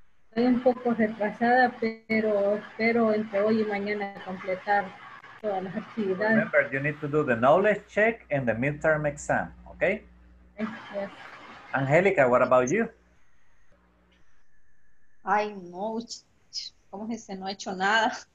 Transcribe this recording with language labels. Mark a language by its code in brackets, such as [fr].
[es] Estoy un poco retrasada, pero espero entre hoy y mañana completar todas las actividades. [en] Remember, you need to do the knowledge check and the midterm exam, okay? Yes. Angélica, what about you? [es] Ay, no, ¿cómo es que no he hecho nada?